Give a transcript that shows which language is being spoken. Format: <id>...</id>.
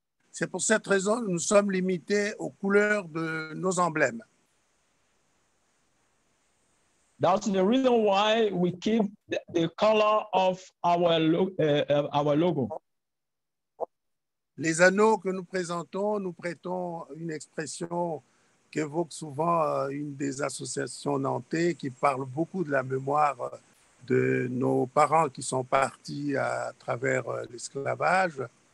<fr>C'est pour cette raison que nous sommes limités aux couleurs de nos emblèmes.</fr> <en>That's the reason why we keep the color of our logo.</en> <fr>Les anneaux que nous présentons, nous prêtons une expression qu'évoque souvent une des associations nantais qui parle beaucoup de la mémoire de nos parents qui sont partis à travers l'esclavage.</fr>